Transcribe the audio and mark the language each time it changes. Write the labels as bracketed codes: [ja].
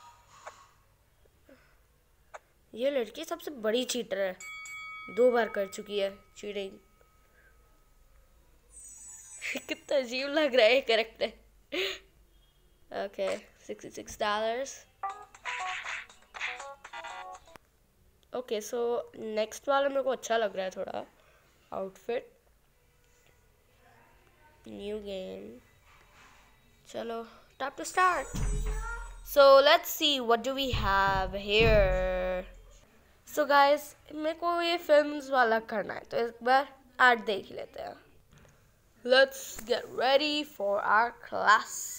[hi] नहीं ये लड़की सबसे बड़ी चीटर है दो बार कर चुकी है चीटिंग कितना अजीब लग रहा है करेक्ट है ओके $66 ओके सो नेक्स्ट वाला मेरे को अच्छा लग रहा है थोड़ा आउटफिट न्यू गेम चलो [en] Time to start. So let's see what do we have here. So guys, [hi] मेरे को ये films वाला करना है तो एक बार ad देख लेते हैं. [en] Let's get ready for our class.